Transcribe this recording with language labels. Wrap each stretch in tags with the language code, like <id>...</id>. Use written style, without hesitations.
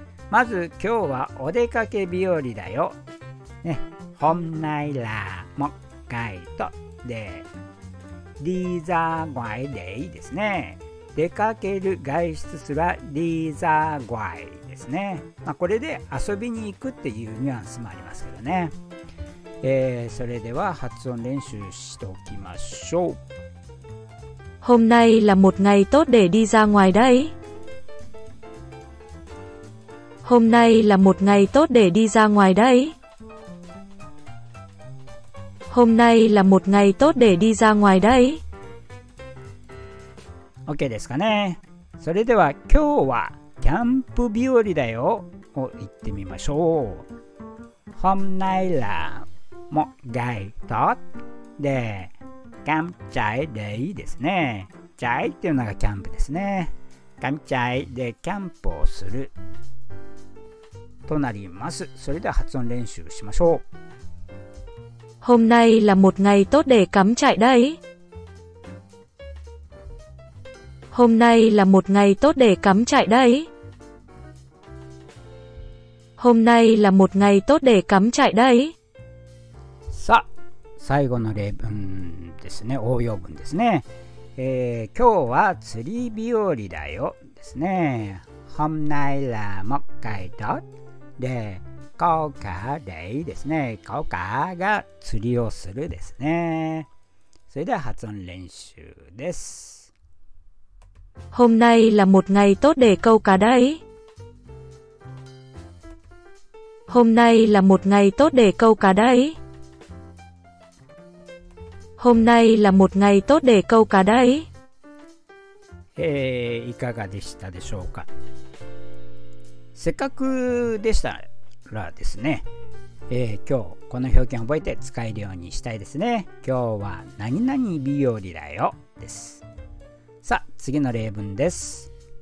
<ja>まず今日はお出かけ日和だよ、ね、ホンナイラーモガイトデーリーザーガイデイですね。出かける外出するはリーザーガイですね。まあ、これで遊びに行くっていうニュアンスもありますけどね。それでは発音練習しておきましょう。</ja> <vi>Hôm nay là một ngày tốt để đi ra ngoài đây. Hôm nay là một ngày tốt để đi ra ngoài đây. Hôm nay là một ngày tốt để đi ra ngoài đây.</vi> <ja>OK ですかね。それでは今日はキャンプ日和だよを言ってみましょう。</ja> <vi>Hôm nay là một ngày tốt để camp trại để ですね。</vi> <ja>trại っていうのがキャンプですね。camp trại でキャンプをするとなります。それでは発音練習しましょう。</ja> <vi>Hôm nay là một ngày tốt để camp trại đây. Hôm nay là một ngày tốt để cắm trại đây. Hôm nay là một ngày tốt để cắm trại đây.</vi> <ja>さあ、最後の例文ですね。応用文ですね。今日は釣り日和だよですね。</ja> <vi>Hôm nay là một ngày tốt để câu cá đấy ですね。</vi> <ja>câu cá が釣りをするですね。それでは発音練習です。</ja> <vi>Hôm nay là một ngày tốt để câu cá đấy. Hôm nay là một ngày tốt để câu cá đấy. Hôm nay là một ngày tốt để câu cá đấy.</vi> <ja>いかがでしたでしょうか。せっかくでしたらですね、今日この表現を覚えて使えるようにしたいですね。今日は何々日和だよです。さあ次の例文です。</ja>